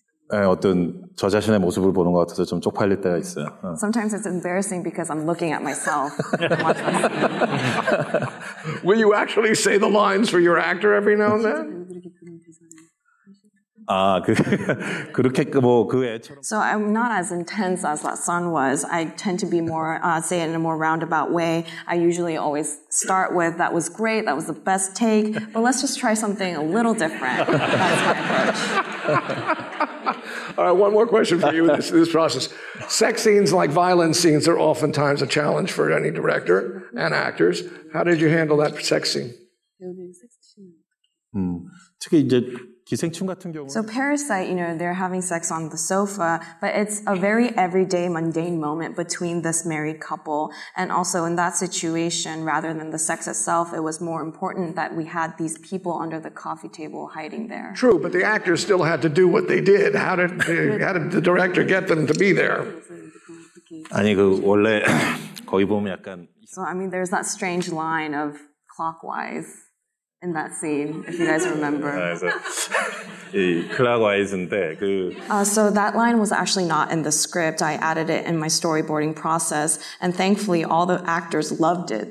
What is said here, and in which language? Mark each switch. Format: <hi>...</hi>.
<ko>네, 어떤 저 자신의 모습을 보는 것 같아서 좀 쪽팔릴 때가 있어요.</ko> <en>Sometimes it's embarrassing because I'm looking at myself. Will you actually say the lines for your actor every now and then?</en> <ko>아, 그렇게 뭐 그 애처럼.</ko> <en>So I'm not as intense as that son was. I tend to be more say it in a more roundabout way. I usually always start with that was great, that was the best take, but let's just try something a little different. That's my approach. All right, one more question for you in this process. Sex scenes, like violence scenes, are oftentimes a challenge for any director and actors. How did you handle that sex scene?</en> <ko>특히 이제 기생충 같은 경우.</ko> <en>So Parasite, you know, they're having sex on the sofa, but it's a very everyday, mundane moment between this married couple. And also in that situation, rather than the sex itself, it was more important that we had these people under the coffee table hiding there. True, but the actors still had to do what they did. How did the director get them to be there?</en> <ko>아니 그 원래 거기 보면 약간.</ko> <en>So I mean, there's that strange line of clockwise. In that scene, if you guys remember. So that line was actually not in the script. I added it in my storyboarding process. And thankfully, all the actors loved it.</en>